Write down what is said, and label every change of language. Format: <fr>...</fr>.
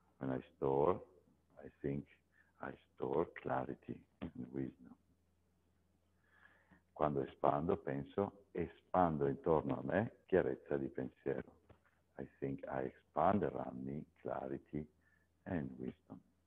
<en>When I store, I think, I store clarity and wisdom.</en> <it>Quando espando, penso, espando intorno a me chiarezza di pensiero.</it> <en>I think I expand around me clarity and wisdom.</en>